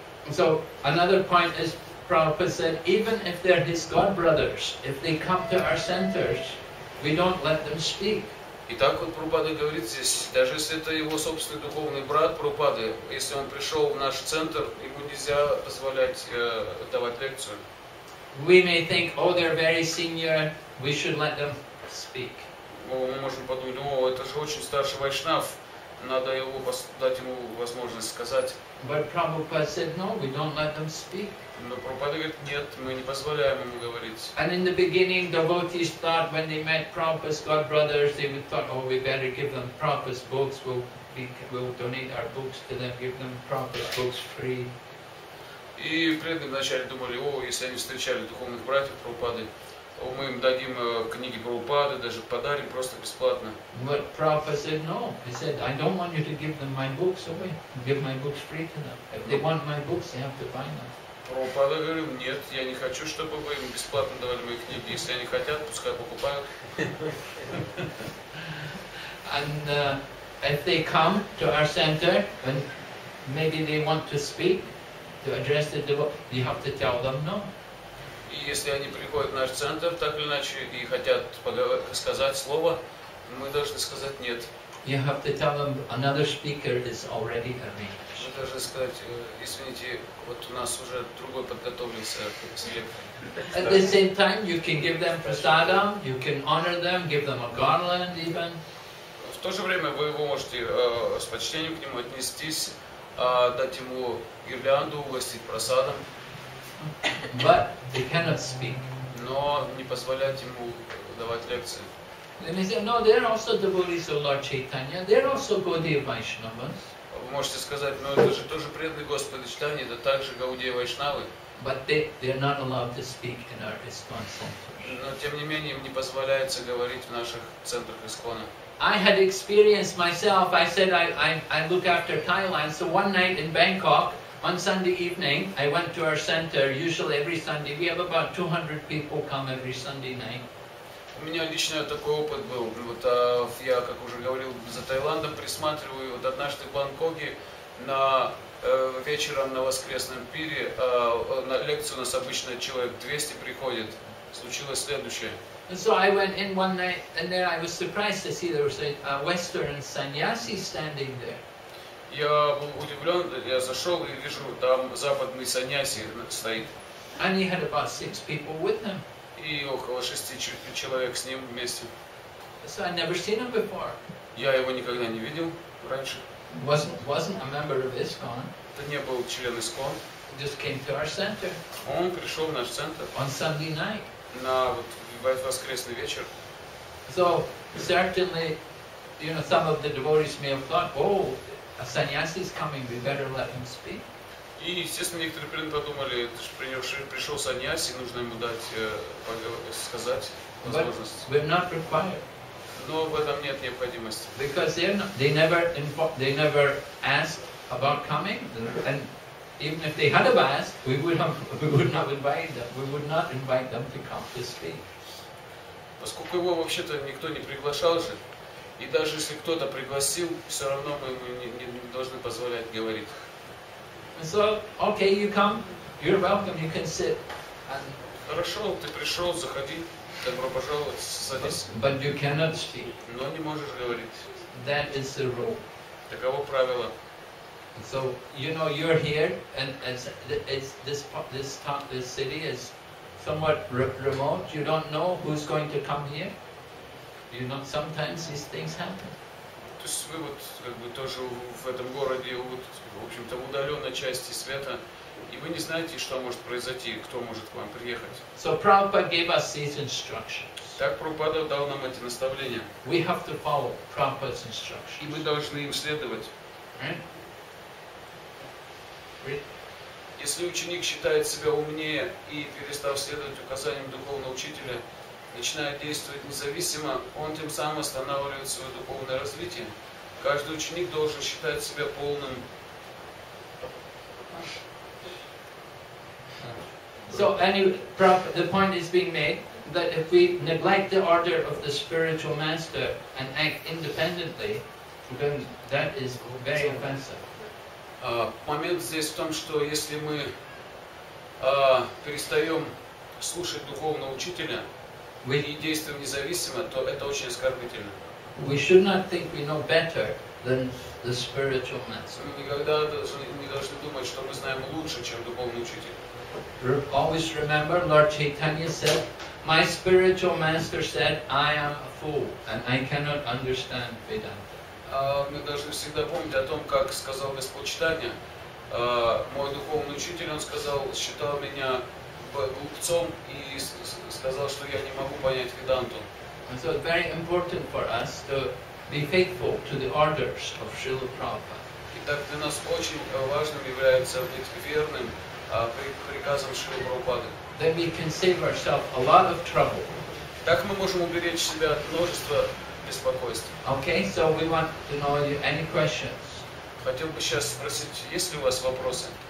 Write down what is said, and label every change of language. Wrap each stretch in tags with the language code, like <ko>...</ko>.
<en>So, another point is, Prabhupada said, even if they're his god brothers, if they come to our centers, we don't let them speak.</en> <ru>Итак, вот Прабхупада говорит здесь, даже если это его собственный духовный брат Прабхупады, если он пришел в наш центр, ему нельзя позволять давать лекцию.</ru> <en>We may think, oh, they're very senior, we should let them speak.</en> <ru>Мы можем подумать, о, это же очень старший вайшнав, надо его дать ему возможность сказать.</ru> <en>But Prabhupada said, no, we don't let them speak.</en> <ru>Но Прабхупада говорит, нет, мы не позволяем ему говорить.</ru> <en>And in the beginning, devotees thought, when they met Prabhupada's god brothers, they would thought, oh, we better give them Prabhupada's books, we'll donate our books to them, give them Prabhupada's books free.</en> <ru>И преданные вначале думали, о, если они встречали духовных братьев Прабхупады, о, мы им дадим книги Прабхупады, даже подарим просто бесплатно.</ru> <en>But Prabhupada said, no, he said, I don't want you to give them my books away, give my books free to them. If they want my books, they have to buy them.</en> <ru>Прабхупада говорил, нет, я не хочу, чтобы вы им бесплатно давали мои книги. Если они хотят, пускай покупают.</ru> <en>And if they come to our center, and maybe they want to speak, to address the devotee, you have to tell them no.</en> <ru>И если они приходят в наш центр, так или иначе, и хотят сказать слово, мы должны сказать нет.</ru> <en>You have to tell them another speaker is already arranged.</en> <ru>Мы должны сказать, извините, вот у нас уже другой подготовился к</ru> <en>At the same time, you can give them prasadam, you can honor them, give them a garland even.</en> <ru>В то же время вы его можете с почтением к нему отнестись, дать ему гирлянду, угостить просадом.</ru> <en>But they cannot speak.</en> <ru>Но не позволять ему давать лекции.</ru> <en>Then he said, no, they're also devotees of Lord Chaitanya, they're also Gaudiya Vaishnavas.</en> <ru>Вы можете сказать, но это же тоже преданный Господь Читания, это также Гаудия Вайшнавы.</ru> <en>But they are not allowed to speak in our ISKCON center.</en> <ru>Но тем не менее им не позволяется говорить в наших центрах ИСКОНа.</ru> <en>I had experienced myself, I said I look after Thailand, so one night in Bangkok, on Sunday evening, I went to our center, usually every Sunday, we have about 200 people come every Sunday night.</en> <ru>У меня лично такой опыт был. Вот я, как уже говорил, за Таиландом присматриваю. Вот однажды в Бангкоке на вечером на воскресном пире на лекцию у нас обычно человек 200 приходит. Случилось следующее.</ru> <en>So I went in one night and then I was surprised to see there was a Western sannyasi standing there.</en> <ru>Я был удивлен. Я зашел и вижу там западный сannyasi стоит.</ru> <en>And he had about 6 people with him.</en> <ru>И около 6 человек с ним вместе.</ru> <en>So I never seen him before.</en> <ru>Я его никогда не видел раньше.</ru> <en>Wasn't a member of ISKCON.</en> <ru>Это не был член ИСККОН.</ru> <en>Just came to our center.</en> <ru>Он пришел в наш центр.</ru> <en>On Sunday night.</en> <ru>На вот воскресный вечер.</ru> <en>So certainly, you know, some of the devotees may have thought, oh, a sannyasi is coming, we better let him speak.</en> <ru>И, естественно, некоторые преданные подумали, пришел саньяси, нужно ему дать, сказать возможность.</ru> <en>But we're not required.</en> <ru>Но в этом нет необходимости.</ru> <en>Because they never asked about coming, and even if they had asked, we would not invite them to come to speak.</en> <ru>Поскольку его вообще-то никто не приглашал же, и даже если кто-то пригласил, все равно мы ему не должны позволять говорить.</ru> <en>So, okay, you come, you're welcome, you can sit.</en> <ru>Хорошо, ты пришел, заходи, добро пожаловать, садись.</ru> <en>But you cannot speak.</en> <ru>Но не можешь говорить.</ru> <en>That is the rule.</en> <ru>Таково правило.</ru> <en>So you know you're here, and it's this town, this city is somewhat remote. You don't know who's going to come here. You know, sometimes these things happen.</en> <ru>То есть вы вот как бы тоже в этом городе вот в общем-то в удаленной части света, и вы не знаете, что может произойти, кто может к вам приехать.</ru> <en>So Prabhupada gave us these instructions.</en> <ru>Так Прабхупада дал нам эти наставления.</ru> <en>We have to follow Prabhupada's instructions.</en> <ru>И мы должны им следовать.</ru> <en>Right?</en> <ru>Если ученик считает себя умнее и перестав следовать указаниям духовного учителя, начинает действовать независимо, он тем самым останавливает свое духовное развитие. Каждый ученик должен считать себя полным.</ru> <en>So anyway, the point is being made that if we neglect the order of the spiritual master and act independently, then that is very offensive.</en> <ru>Момент здесь в том, что если мы перестаем слушать духовного учителя и действуем независимо, то это очень оскорбительно.</ru> <en>We should not think we know better than the spiritual master.</en> <ru>Мы никогда не должны думать, что мы знаем лучше, чем духовный учитель.</ru> <en>Always remember, Lord Chaitanya said, my spiritual master said, I am a fool and I cannot understand Vedanta.</en> <ru>Мы должны всегда помнить о том, как сказал Господь Читания. Мой духовный учитель, он сказал, считал меня глупцом и сказал, что я не могу понять Веданту.</ru> <en>And so it's very important for us to be faithful to the orders of Srila Prabhupada.</en> <ru>Итак, для нас очень важным является быть верным приказам Шрилы Прабхупады.</ru> <en>Then we can save ourselves a lot of trouble.</en> <ru>Так мы можем уберечь себя от множества.</ru> <en>Okay, so we want to know you any questions.</en> <ru>Хотел бы сейчас спросить, есть ли у вас вопросы?</ru>